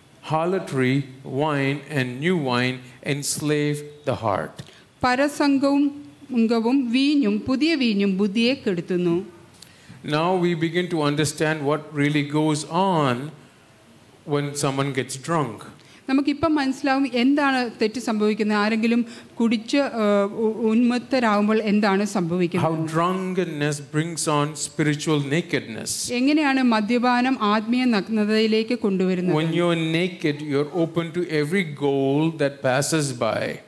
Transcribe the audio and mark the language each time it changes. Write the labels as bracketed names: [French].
[English] harlotry wine and new wine enslave the heart [Malayalam] പരസംഗവും മുങ്കവും വീഞ്ഞും പുതിയ വീഞ്ഞും ബുദ്ധിയെ കെടുത്തുന്നു [English] Now we begin to understand what really goes on when someone gets drunk [Malayalam] നമുക്കിപ്പം മനസ്സിലാവും എന്താണ് തെറ്റ് സംഭവിക്കുന്നത് ആരെങ്കിലും കുടിച്ച് ഉന്മത്തരാകുമ്പോൾ എന്താണ് സംഭവിക്കുന്നത് [English] How drunkenness brings on spiritual nakedness. [Malayalam] എങ്ങനെയാണ് മദ്യപാനം ആത്മീയ നഗ്നതയിലേക്ക് കൊണ്ടുവരുന്നത് [English] When you're naked, you're open to every goal that passes by.